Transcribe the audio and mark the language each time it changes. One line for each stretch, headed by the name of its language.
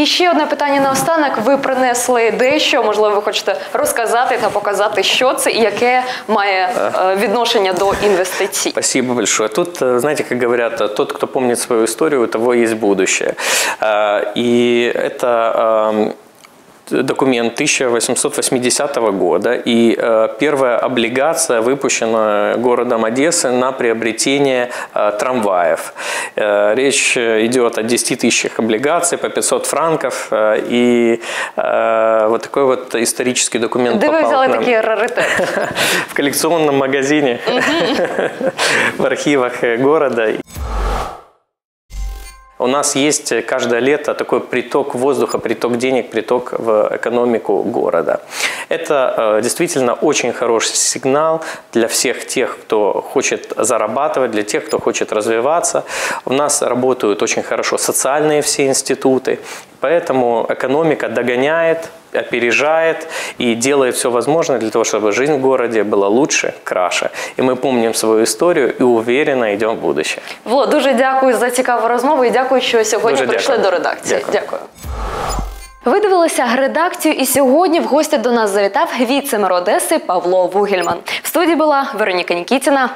Ukrainian: І ще одне питання наостанок. Ви принесли дещо, можливо, ви хочете розказати та показати, що це і яке має відношення до інвестицій. Дякую велике. Тут, знаєте, як кажуть, той, хто пам'ятає свою історію, у того є майбутнє.
Russian: И это документ 1880 года, и первая облигация выпущена городом Одессы на приобретение трамваев. Речь идет о 10 тысячах облигаций по 500 франков, и вот такой вот исторический документ попал. вы взяли такие раритеты? В коллекционном магазине, в архивах города. У нас есть каждое лето такой приток воздуха, приток денег, приток в экономику города. Это действительно очень хороший сигнал для всех тех, кто хочет зарабатывать, для тех, кто хочет развиваться. У нас работают очень хорошо социальные все институты, поэтому экономика догоняет, опережает и делает все возможное для того, чтобы жизнь в городе была лучше, краше. И мы помним свою
Ukrainian: історію і
Russian: уверенно
Ukrainian: йдемо
Russian: в будущее.
Ukrainian: Влад, дуже дякую за цікаву розмову і дякую, що сьогодні дуже прийшли дякую. До редакції. Дякую. Дякую. Ви дивилися редакцію, і сьогодні в гості до нас завітав віце-мер Одеси Павло Вугельман. В студії була Вероніка Нікітіна.